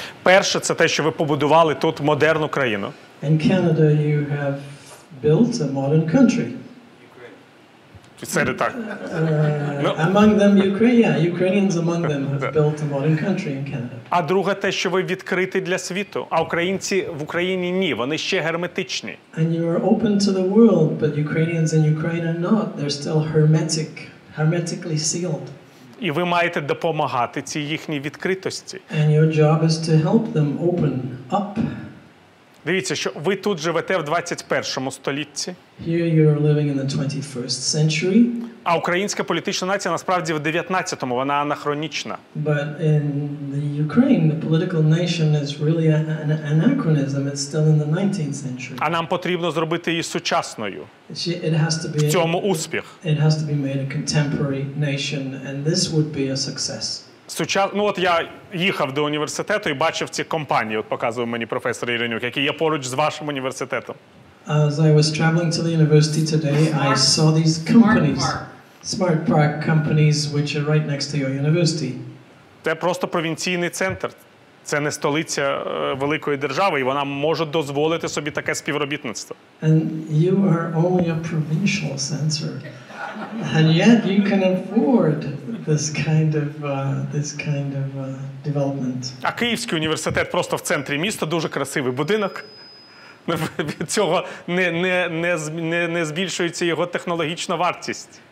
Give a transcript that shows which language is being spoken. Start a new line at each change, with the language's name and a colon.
Ukrainian: Перше, це те, що ви побудували тут модерну країну.
English: In Canada you have built a modern country. Ukraine. Said it так. Among them Ukraine, yeah, Ukrainians among them have built a modern country in Canada.
Ukrainian: А друге те, що ви відкриті для світу, а українці в Україні ні, вони ще герметичні.
English: And you are open to the world, but Ukrainians in Ukraine are not. They're still hermetically sealed.
Ukrainian: І ви маєте допомагати цій їхній відкритості.
English: And your job is to help them open up.
Ukrainian: Дивіться, що ви тут живете в 21-му столітті.
English: Here you are living in the 21st century.
Ukrainian: А українська політична нація насправді в 19-му, вона анахронічна.
English: But in the Ukraine, the political nation is really an anachronism. It's still in the 19th century.
Ukrainian: А нам потрібно зробити її сучасною.
English: It has to be
Ukrainian: в цьому успіх.
English: It has to be made a contemporary nation, and this would be a success.
Ukrainian: Ну от я їхав до університету і бачив ці компанії, от показував мені професор Єренюк, які є поруч з вашим університетом.
English: As I was traveling to the university today, I saw these companies, smart park companies, which are right next to your university.
Ukrainian: Це просто провінційний центр. Це не столиця великої держави, і вона може дозволити собі таке співробітництво.
English: And you are only a provincial center. And yet you can afford this kind of development.
Ukrainian: А Київський університет просто в центрі міста, дуже красивий будинок. Від цього не збільшується його технологічна вартість.